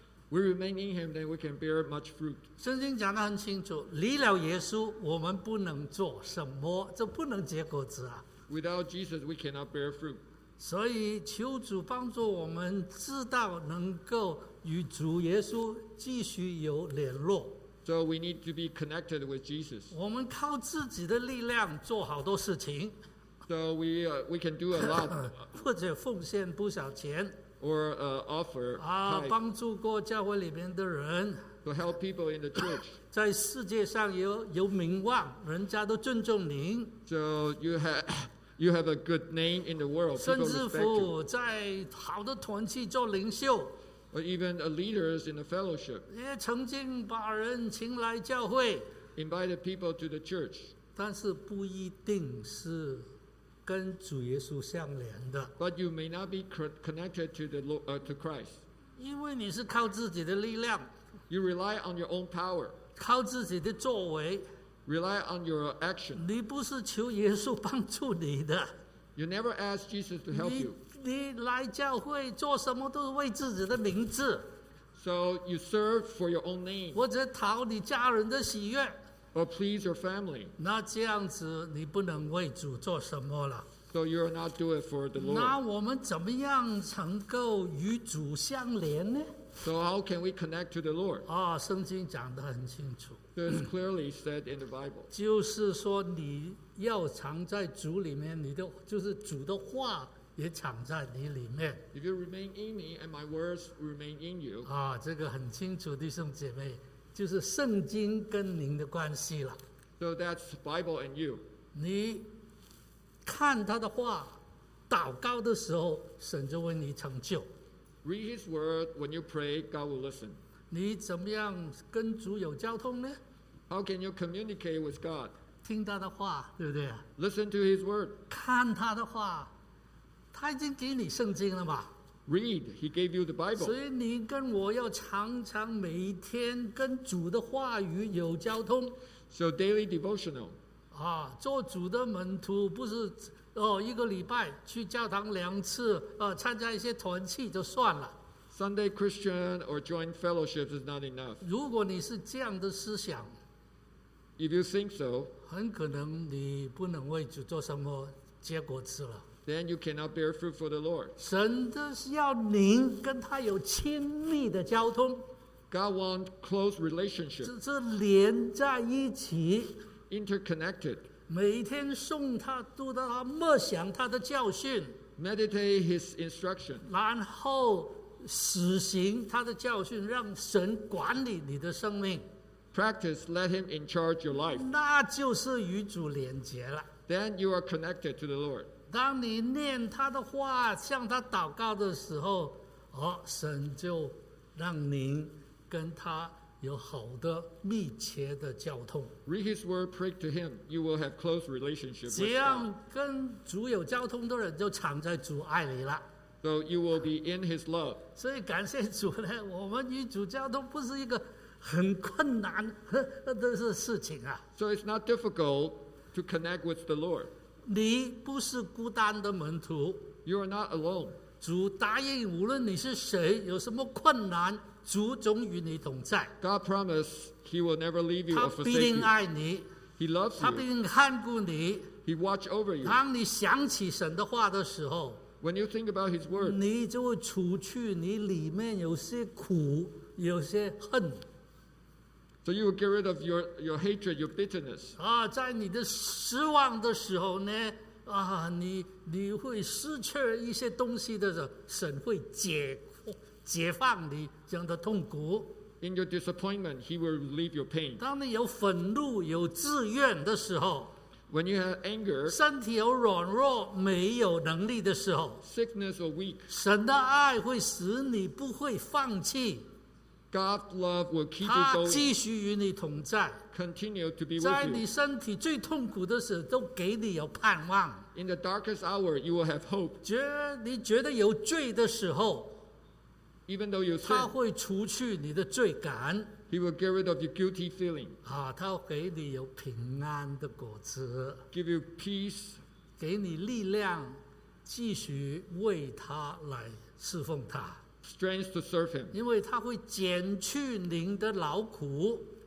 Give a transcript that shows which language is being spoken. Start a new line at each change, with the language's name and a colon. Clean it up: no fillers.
English: We remain in Him, then we can bear much fruit.
Chinese: 圣经讲得很清楚，离了耶稣，我们不能做什么，就不能结果子啊。
English: Without Jesus, we cannot bear fruit.
Chinese: 所以求主帮助我们知道能够与主耶稣继续有联络。
English: So we need to be connected with Jesus.
Chinese: 我们靠自己的力量做好多事情。
English: So we can do a lot.
Chinese: 或者奉献不少钱。
English: Or offer.
Chinese: 啊，帮助过教会里面的人。
English: To help people in the church.
Chinese: 在世界上有名望，人家都尊重您。
English: So you have a good name in the world.
Chinese: 甚至乎在好的团契做领袖。
English: Or even leaders in the fellowship.
Chinese: 也曾经把人请来教会。
English: Invited people to the church.
Chinese: 但是不一定是。跟主耶稣相连的
English: ，But you may not be connected to the to Christ，
Chinese: 因为你是靠自己的力量
English: ，You rely on your own power，
Chinese: 靠自己的作为
English: ，Rely on your action，
Chinese: 你不是求耶稣帮助你的
English: ，You never ask Jesus to help you，
Chinese: 你来教会做什么都是为自己的名字
English: ，So you serve for your own name，
Chinese: 或者讨你家人的喜悦。
English: Or please your family.
Chinese: 那这样子你不能为主做什么了。
English: So you are not doing it for the Lord.
Chinese: 那我们怎么样能够与主相连呢？
English: So how can we connect to the Lord?
Chinese: 啊，圣经讲得很清楚。
English: So it's clearly said in the Bible.
Chinese: 就是说你要藏在主里面，你的就是主的话也藏在你里面。
English: If you remain in me and my words remain in you.
Chinese: 啊，这个很清楚，弟兄姐妹。就是圣经跟您的关系了。
English: So that's Bible and you.
Chinese: 你看他的话，祷告的时候，神就为你成就。
English: Read His word when you pray, God will listen.
Chinese: 你怎么样跟主有交通呢
English: ？How can you communicate with God?
Chinese: 听他的话，对不对
English: ？Listen to His word.
Chinese: 看他的话，他已经给你圣经了嘛。
English: Read, he gave you the Bible.
Chinese: 所以你跟我要常常每天跟主的话语有交通。
English: So daily devotional.
Chinese: 啊，做主的门徒不是哦，一个礼拜去教堂两次，参加一些团契就算了。
English: Sunday Christian or join fellowships is not enough.
Chinese: 如果你是这样的思想
English: ，If you think so,
Chinese: 很可能你不能为主做什么结果子了。
English: Then you cannot bear fruit for the Lord.
Chinese: 神的是要您跟他有亲密的交通。
English: God wants close relationship.
Chinese: 是连在一起。
English: Interconnected.
Chinese: 每天送他，读他，默想他的教训。
English: Meditate his instruction.
Chinese: 然后实行他的教训，让神管理你的生命。
English: Practice, let him in charge your life.
Chinese: 那就是与主连接了。
English: Then you are connected to the Lord.
Chinese: 当你念他的话，向他祷告的时候，哦，神就让您跟他有好的密切的交通。
English: Read his word, pray to him. You will have close relationship.
Chinese: 这样跟主有交通的人就藏在主爱里了。
English: So you will be in his love.
Chinese: 所以感谢主呢，我们与主交通不是一个很困难的事情啊。
English: So it's not difficult to connect with the Lord.
Chinese: 你不是孤单的门徒。
English: You are not alone.
Chinese: 主答应，无论你是谁，有什么困难，主总与你同在。
English: God promised He will never leave you or forsake you.
Chinese: 他必定爱你。
English: He loves you.
Chinese: 他必定看顾你。
English: He watch over you.
Chinese: 当你想起神的话的时候
English: ，When you think about His word,
Chinese: 你就会除去你里面有些苦，有些恨。
English: So you will get rid of your hatred, your bitterness.
Chinese: 啊，在你的失望的时候呢，啊，你会失去一些东西的时候，神会解放你这样的痛苦。
English: In your disappointment, He will relieve your pain.
Chinese: 当你有愤怒、有自怨的时候
English: ，When you have anger,
Chinese: 身体有软弱、没有能力的时候
English: ，Sickness or weak,
Chinese: 神的爱会使你不会放弃。
English: God's love will keep you going.
Chinese: 他继续与你同在。
English: Continue to be with you.
Chinese: 在你身体最痛苦的时候，都给你有盼望。
English: In the darkest hour, you will have hope.
Chinese: 你觉得有罪的时候，
English: even though you sin,
Chinese: 他会除去你的罪感。
English: He will get rid of your guilty feeling.
Chinese: 他给你有平安的果子。
English: Give you peace.
Chinese: 给你力量，继续为他来侍奉他。
English: Strength to serve him.
Chinese: 因为他会减去您的劳苦。